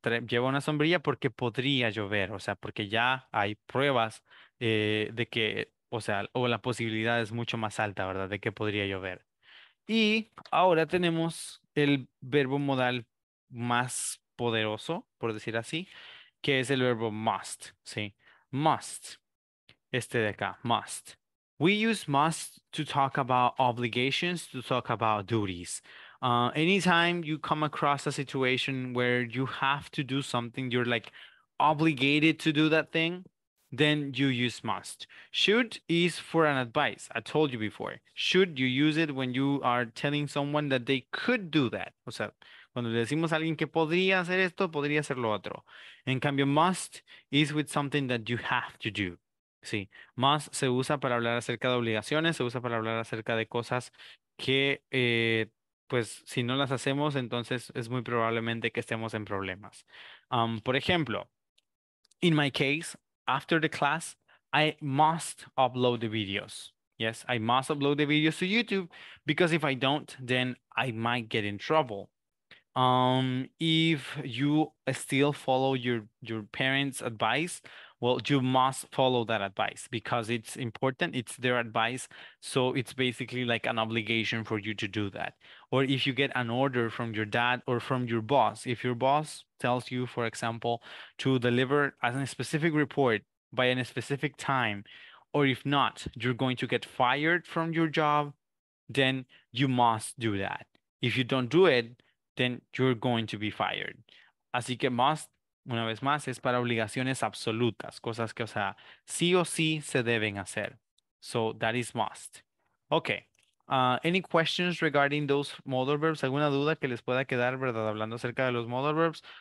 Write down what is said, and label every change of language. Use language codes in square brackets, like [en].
[es] Lleva una sombrilla porque podría llover, o sea, porque ya hay pruebas de que, o sea, o la posibilidad es mucho más alta, ¿verdad?, de que podría llover. Y ahora tenemos el verbo modal más poderoso, por decir así, que es el verbo must, ¿sí? Must, este de acá, must. [en] We use must to talk about obligations, to talk about duties. Anytime you come across a situation where you have to do something, you're like obligated to do that thing, then you use must. Should is for an advice. I told you before. Should, you use it when you are telling someone that they could do that. [es] O sea, cuando le decimos a alguien que podría hacer esto, podría hacer lo otro. En cambio, [en] must is with something that you have to do. [es] Sí, must se usa para hablar acerca de obligaciones, se usa para hablar acerca de cosas que, pues, si no las hacemos, entonces es muy probablemente que estemos en problemas. Por ejemplo, [en] in my case, after the class, I must upload the videos. Yes, I must upload the videos to YouTube because if I don't, then I might get in trouble. If you still follow your parents' advice, well, you must follow that advice because it's important. It's their advice. So it's basically like an obligation for you to do that. Or if you get an order from your dad or from your boss, if your boss tells you, for example, to deliver a specific report by a specific time, or if not, you're going to get fired from your job, then you must do that. If you don't do it, then you're going to be fired. [es] Así que must, una vez más, es para obligaciones absolutas, cosas que, o sea, sí o sí se deben hacer. [en] So that is must. Okay. Any questions regarding those modal verbs? [es] ¿Alguna duda que les pueda quedar, verdad, hablando acerca de los modal verbs?